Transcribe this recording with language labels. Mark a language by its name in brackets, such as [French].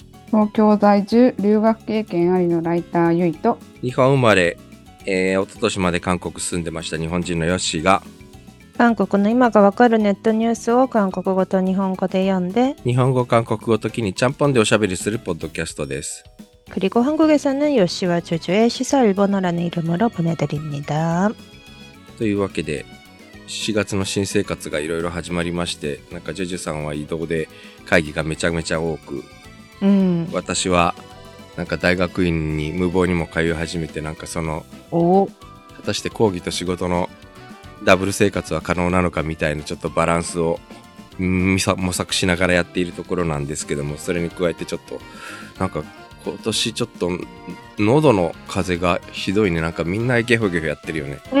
[Japanese] 東京在住留学経験ありのライターユイと、日本生まれ、一昨年まで韓国住んでました日本人のヨッシーが、韓国の今がわかるネットニュースを韓国語と日本語で読んで、日本語韓国語ときにちゃんぽんでおしゃべりするポッドキャストです。 [Korean] 그리고한국에서는요시와조조의시사일본어라는이름으로보내드립니다。 [Japanese] というわけで、4月の新生活がいろいろ始まりまして、なんかジョジョさんは移動で会議がめちゃめちゃ多く、私はなんか大学院に無謀にも通い始めて、なんかその果たして講義と仕事のダブル生活は可能なのかみたいな、ちょっとバランスを模索しながらやっているところなんですけども、それに加えてちょっとなんか今年ちょっと喉の風邪がひどいね。なんかみんなゲホゲホやってるよね。